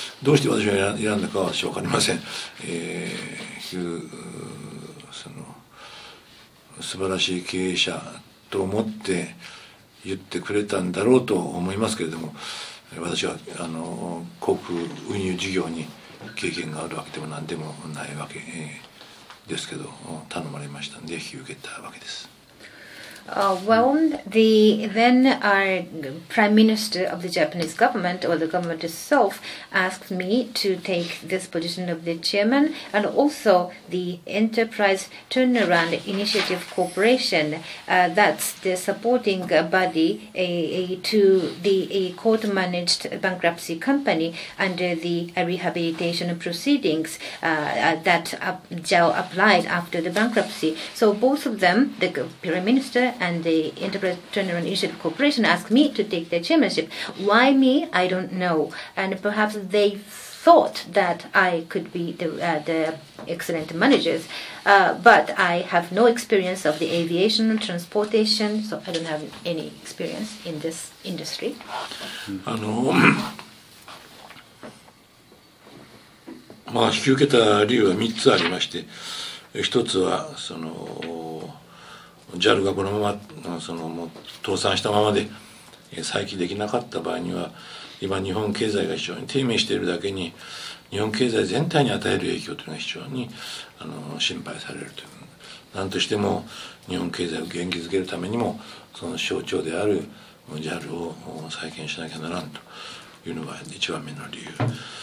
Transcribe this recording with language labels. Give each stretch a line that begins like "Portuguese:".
Japanese: どうして私が選んだかは私は分かりません、その素晴らしい経営者と思って言ってくれたんだろうと思いますけれども私は航空運輸事業に経験があるわけでも何でもないわけですけど、頼まれましたんで引き受けたわけです。
English: Well, the then our prime minister of the Japanese government or the government itself asked me to take this position of the chairman and also the Enterprise Turnaround Initiative Corporation. That's the supporting body to the court-managed bankruptcy company under the rehabilitation proceedings that JAL applied after the bankruptcy. So both of them, the prime minister and the Enterprise Turnaround Initiative Corporation asked me to take the chairmanship. Why me? I don't know. And perhaps they thought that I could be the excellent managers, but I have no experience of the aviation and transportation, so I don't have any experience in this industry.
Japanese: あの、まあ引き受けた理由は3つありまして、1つはそのJAL がこのままそのもう倒産したままで再起できなかった場合には、今日本経済が非常に低迷しているだけに、日本経済全体に与える影響というのが非常にあの心配されるという、何としても日本経済を元気づけるためにもその象徴である JAL を再建しなきゃならんというのが一番目の理由。